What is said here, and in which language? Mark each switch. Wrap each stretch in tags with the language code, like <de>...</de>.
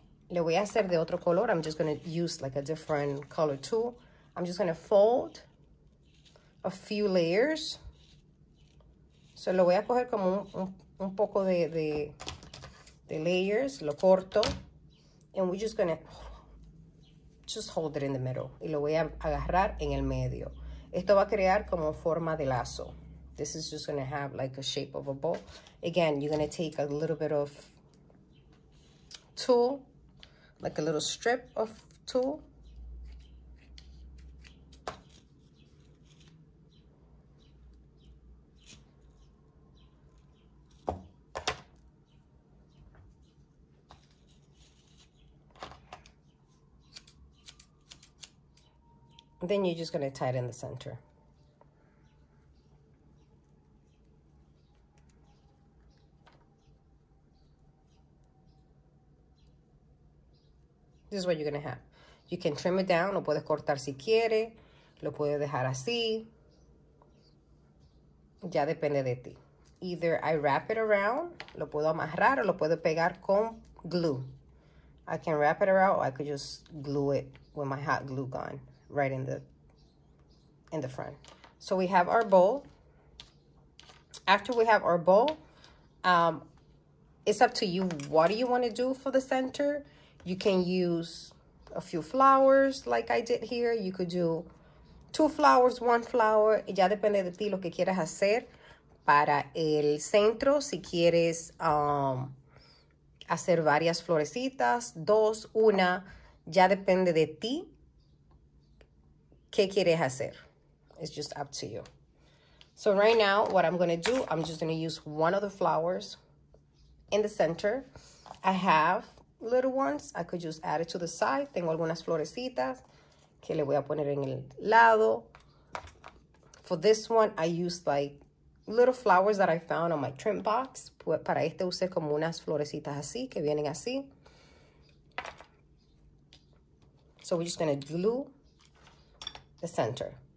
<es>Le voy a hacer de otro color.</es> <en>I'm just going to use like a different color tul. I'm just going to fold a few layers.</en> <es>So lo voy a coger como un poco de layers. Lo corto.</es> <en>And we're just going to just hold it in the middle.</en> <es>Y lo voy a agarrar en el medio. Esto va a crear como forma de lazo.</es> <en>This is just going to have like a shape of a bow. Again, you're going to take a little bit of tul, like a little strip of tul. Then you're just going to tie it in the center. This is what you're going to have. You can trim it down.</en> <es>Lo puedes cortar si quieres. Lo puedes dejar así. Ya depende de ti.</es> <en>Either I wrap it around.</en> <es>Lo puedo amarrar o lo puedo pegar con glue.</es> <en>I can wrap it around or I could just glue it with my hot glue gun right in the front. So we have our bow. After we have our bow, it's up to you. What do you want to do for the center? You can use a few flowers like I did here. You could do two flowers, one flower.</en> <es>Ya depende de ti lo que quieras hacer para el centro. Si quieres hacer varias florecitas, dos, una, ya depende de ti. ¿Qué quieres hacer?</es> <en>It's just up to you. So right now, what I'm going to do, I'm just going to use one of the flowers in the center. I have little ones. I could just add it to the side.</en> <es>Tengo algunas florecitas que le voy a poner en el lado.</es> <en>For this one, I used like little flowers that I found on my trim box.</en> <es>Para este usé como unas florecitas así, que vienen así.</es> <en>So we're just going to glue the center.</en>